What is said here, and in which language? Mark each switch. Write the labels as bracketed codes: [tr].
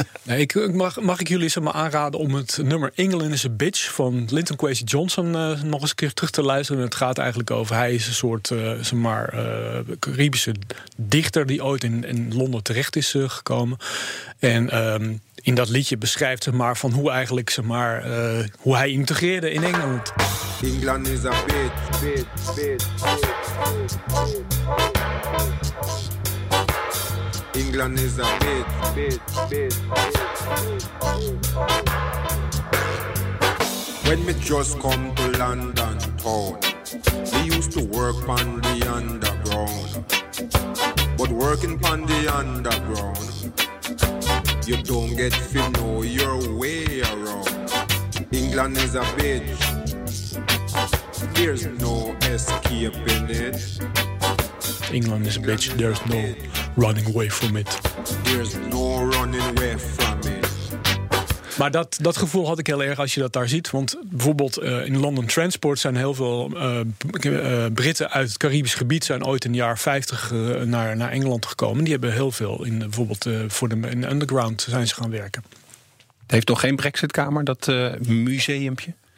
[nl] Nee, mag ik jullie zomaar aanraden om het nummer England is a Bitch van Lyndon Kwesi Johnson nog eens een keer terug te luisteren. Het gaat eigenlijk over, hij is een soort Caribische dichter die ooit in Londen terecht is gekomen. En in dat liedje beschrijft van hoe eigenlijk hoe hij integreerde in Engeland. [en] England is a bitch, bitch, bitch. England is a bitch, bitch, bitch. When me just come to London town, me used to work on the underground. But working on the underground, you don't get to know your way around. England is a bitch. There's no escaping it. England is a bitch. There's no running away from it. There's no running away from it. [nl] Maar dat gevoel had ik heel erg als je dat daar ziet. Want bijvoorbeeld in London Transport zijn heel veel Britten uit het Caribisch gebied zijn ooit in de jaren 50 naar Engeland gekomen. Die hebben heel veel in de underground zijn ze gaan werken. Het heeft toch geen Brexitkamer, dat museumpje?